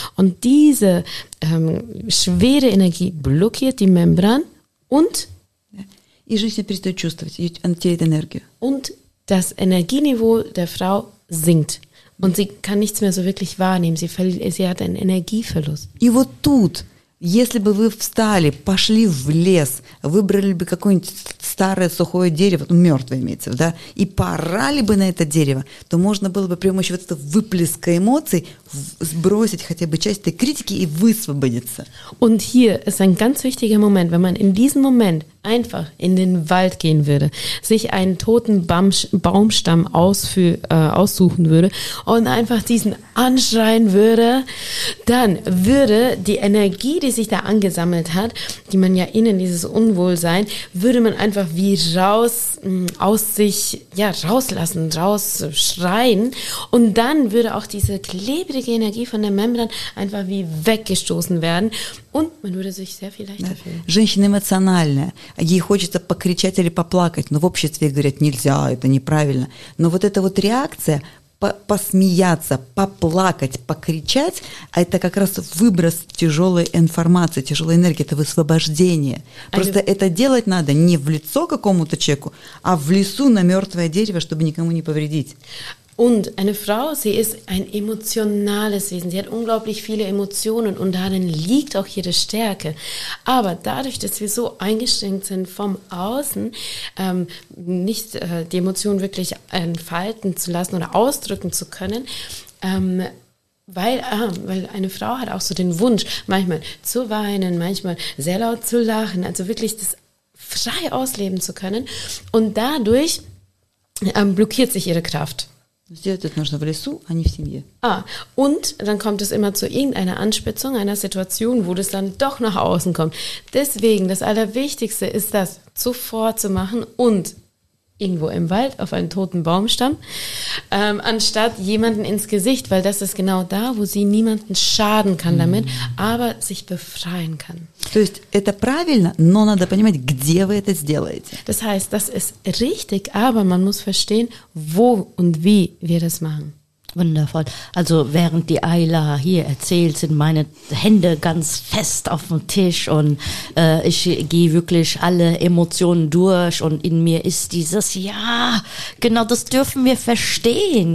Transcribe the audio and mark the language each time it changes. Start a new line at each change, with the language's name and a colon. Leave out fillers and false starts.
German: Und diese schwere Energie blockiert die Membran und das Energieniveau der Frau sinkt. Und sie kann nichts mehr so wirklich wahrnehmen. Sie hat einen Energieverlust.
Russian: И вот тут, Если бы вы встали, пошли в лес, выбрали бы какое-нибудь старое сухое дерево, ну, мертвое имеется в виду, да, и порали бы на это дерево, то можно было бы при помощи вот этого выплеска эмоций сбросить хотя бы часть этой критики и высвободиться.
German: Und hier ist ein ganz wichtiger Moment, wenn man in diesem Moment einfach in den Wald gehen würde, sich einen toten Baumstamm aussuchen würde und einfach diesen anschreien würde, dann würde die Energie, die sich da angesammelt hat, die man ja innen dieses Unwohlsein, würde man einfach wie raus aus sich, ja, rauslassen, rausschreien und dann würde auch diese klebrige Energie von der Membran einfach wie weggestoßen werden und man würde sich sehr viel leichter fühlen.
Russian: Женщина эмоциональная. Ей хочется покричать или поплакать, но в обществе говорят, нельзя, это неправильно. Но вот эта вот реакция, посмеяться, поплакать, покричать, это как раз выброс тяжелой информации, тяжелой энергии, это высвобождение. Просто это делать надо не в лицо какому-то человеку, а в лесу на мертвое дерево, чтобы никому не повредить.
German: Und eine Frau, sie ist ein emotionales Wesen. Sie hat unglaublich viele Emotionen und darin liegt auch ihre Stärke. Aber dadurch, dass wir so eingeschränkt sind vom Außen, nicht die Emotionen wirklich entfalten zu lassen oder ausdrücken zu können, weil eine Frau hat auch so den Wunsch, manchmal zu weinen, manchmal sehr laut zu lachen, also wirklich das frei ausleben zu können. Und dadurch blockiert sich ihre Kraft.
Russian: Сделать это нужно в лесу, а не в семье.
German: Und dann kommt es immer zu irgendeiner Anspitzung, einer Situation, wo das dann doch nach außen kommt. Deswegen, das Allerwichtigste ist das zuvor zu machen und irgendwo im Wald auf einen toten Baumstamm, anstatt jemanden ins Gesicht, weil das ist genau da, wo sie niemanden schaden kann damit, aber sich befreien kann.
Russian: То есть это правильно, но надо понимать, где вы это сделаете.
German: Das heißt, das ist richtig, aber man muss verstehen, wo und wie wir das machen. Wundervoll. Also während die Ayla hier erzählt, sind meine Hände ganz fest auf dem Tisch und ich gehe wirklich alle Emotionen durch und in mir ist dieses, ja, genau das dürfen wir verstehen.